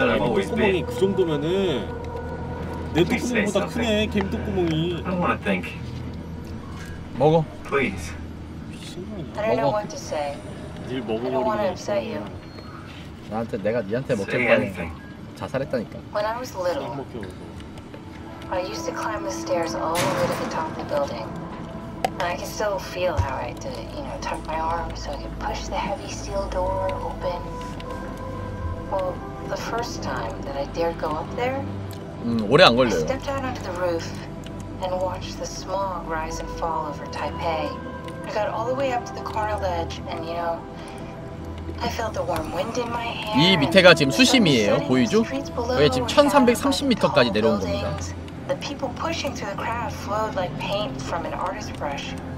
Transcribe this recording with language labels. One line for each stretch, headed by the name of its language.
Korean: 똥구멍이 그 정도면은 내 똥구멍보다 크네, 개미 똥구멍이. 먹어.
English: Please.
Korean: 먹어. 닐 먹어버리고 나서. 나한테, 내가 니한테 먹힐 거야. 자살했다니까.
English: When I was little, I used to climb the stairs all the way to the top of the building. And I can still feel how I had to, you know, tuck my arm so I could push the heavy steel door open. Well, the first time that I dared go up there,
Korean: 오래 안 걸려요.
English: I stepped out onto the roof and watched the smog rise and fall over Taipei. I got all the way up to the corner ledge and, you know, I felt the warm wind in my hair.
Korean: 이 밑에가 지금 수심이에요. 보이죠? 여기 지금 1330m까지 내려온 겁니다.
English: The people pushing through the crowd flowed like paint from an artist's brush.